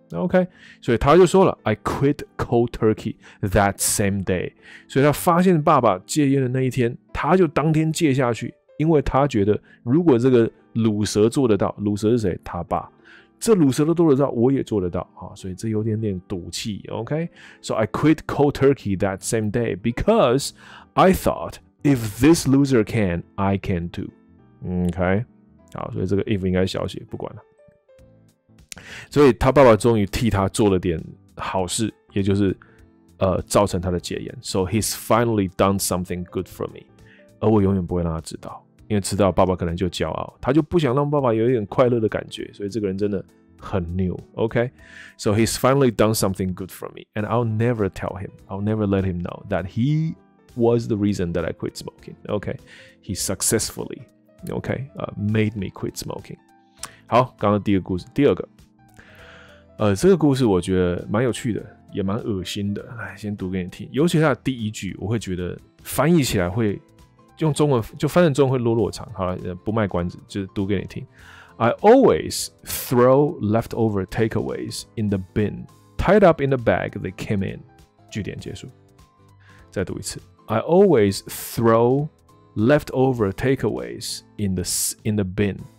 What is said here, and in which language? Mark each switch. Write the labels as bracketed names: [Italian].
[Chinese] 那 OK， 所以他就说了 ， [English] I quit cold turkey that same day。 [Chinese] 所以他发现爸爸戒烟的那一天，他就当天戒下去，因为他觉得如果这个卤蛇做得到，卤蛇是谁？他爸，这卤蛇都做得到，我也做得到啊，所以这有点赌气。 [English] OK， so I quit cold turkey that same day because I thought if this loser can, I can too。 OK。 [Chinese] 好，所以这个 if 应该小写，不管了。所以他爸爸终于替他做了点好事，也就是造成他的戒烟。 [English] So he's finally done something good for me， [Chinese] 而我永远不会让他知道。因为知道爸爸可能就骄傲，他就不想让爸爸有一点快乐的感觉，所以这个人真的很牛。 [English] OK, so he's finally done something good for me, and I'll never tell him, I'll never let him know that he was the reason that I quit smoking. OK, he successfully, OK, made me quit smoking. [Chinese] 好，刚刚第二个故事，第二个，这个故事我觉得蛮有趣的，也蛮恶心的，来先读给你听。尤其他的第一句，我会觉得翻译起来会用中文就翻成中文会落落场。好了，不卖关子，就读给你听。 [English] I always throw leftover takeaways in the bin, tied up in the bag they came in. [Chinese] 句点结束。再读一次。 [English] I always throw leftover takeaways in the bin.